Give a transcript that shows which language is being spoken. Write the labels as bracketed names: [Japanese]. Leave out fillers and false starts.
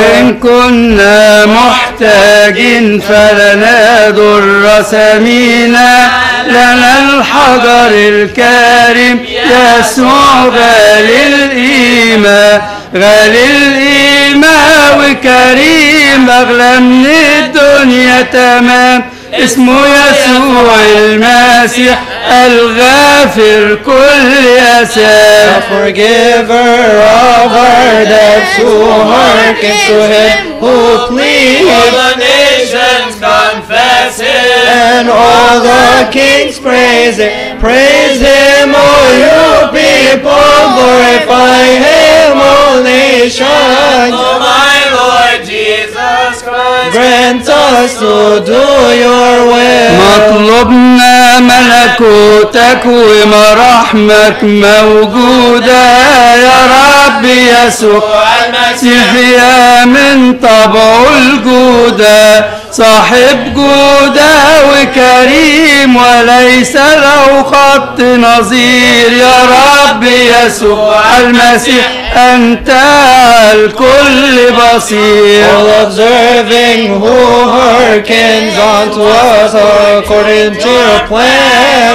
[Arabic] إن كنا محتاجين فلنا در سمينا, لنا الحجر الكريم يسوع غالي القيمة. غالي القيمة وكريم أغلى من الدنيا تمام. اسمه يسوع المسيح الغافر كل أثام. [English] The forgiver of our debts, who hearken to him, who plead. All the nations confess him, and all the kings praise him. Praise him, O you people, glorify him, O nations. Oh my Lord Jesus Christ, grant us to do your will. [Arabic] مطلوبنا ملك تكوم رحمك موجودة يا رب يسوع المسيح، يا من طبع الجودة صاحب جودة وكريم وليس له خط نظير. يا رب يسوع المسيح أنت الكل بصير. [English] All observing who hearkens unto us according to your plan,